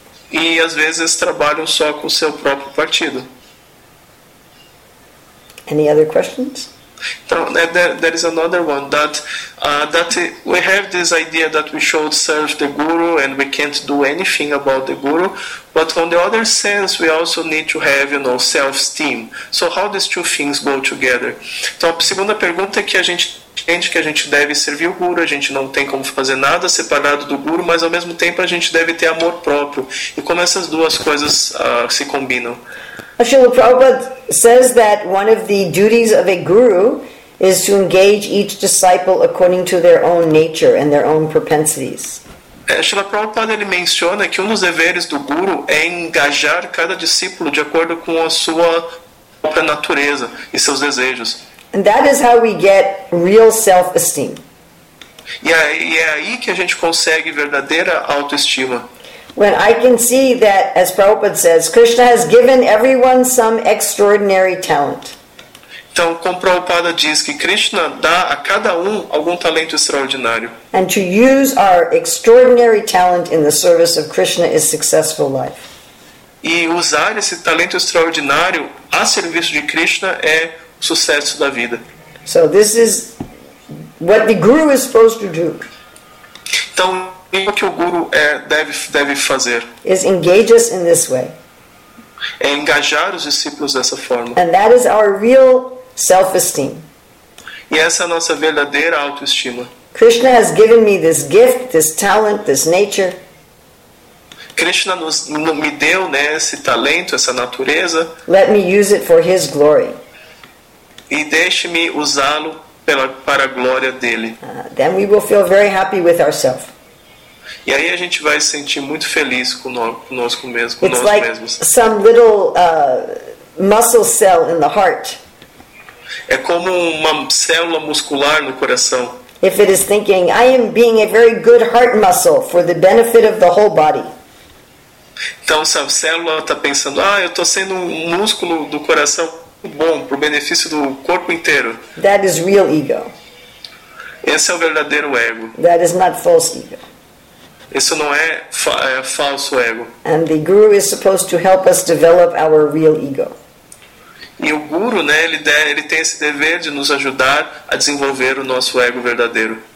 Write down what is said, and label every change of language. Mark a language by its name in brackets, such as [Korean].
[Portuguese] E às vezes trabalham só com o seu próprio partido. [English] Any other questions? Então, there is another one that we have this idea that we should serve the guru and we can't do anything about the guru, but on the other sense we also need to have, you know, self-esteem. So how these two things go together? [Portuguese] Então, a segunda pergunta é que a gente entende que a gente deve servir o guru, a gente não tem como fazer nada separado do guru, mas ao mesmo tempo a gente deve ter amor próprio. E como essas duas coisas se combinam? [English] Srila Prabhupada says that one of the duties of a guru is to engage each disciple according to their own nature and their own propensities. [Portuguese] Srila Prabhupada, ele menciona que um dos deveres do guru é engajar cada discípulo de acordo com a sua própria natureza e seus desejos. [English] And that is how we get real self-esteem. [Portuguese] E é aí que a gente consegue verdadeira autoestima. [English] When I can see that, as Prabhupada says, Krishna has given everyone some extraordinary talent. [Portuguese] Então, como Prabhupada diz que Krishna dá a cada algum talento extraordinário. [English] And to use our extraordinary talent in the service of Krishna is successful life. [Portuguese] E usar esse talento extraordinário a serviço de Krishna é o sucesso da vida. [English] So this is what the guru is supposed to do. [Portuguese] Então, o que o guru deve fazer? [English] Is engage us in this way. [Portuguese] É engajar os discípulos dessa forma. [English] And that is our real self-esteem. [Portuguese] E essa é a nossa verdadeira autoestima. [English] Krishna has given me this gift, this talent, this nature. [Portuguese] Krishna me deu, né, esse talento, essa natureza. [English] Let me use it for his glory. [Portuguese] E deixe-me usá-lo para a glória dele. [English] Then we will feel very happy with ourselves. [Portuguese] E aí a gente vai se sentir muito feliz conosco mesmo, [English] It's [Portuguese] nós [English] like [Portuguese] mesmos. [English] Some little muscle cell in the heart. [Portuguese] É como uma célula muscular no coração. [English] If it is thinking, I am being a very good heart muscle for the benefit of the whole body. [Portuguese] Então se a célula está pensando, ah, eu estou sendo um músculo do coração bom para o benefício do corpo inteiro. [English] That is real ego. [Portuguese] Esse é o verdadeiro ego. [English] That is not false ego. [Portuguese] Isso não é, é falso ego. [English] And the guru is supposed to help us develop our real ego. [Portuguese] E o guru, né, ele tem esse dever de nos ajudar a desenvolver o nosso ego verdadeiro.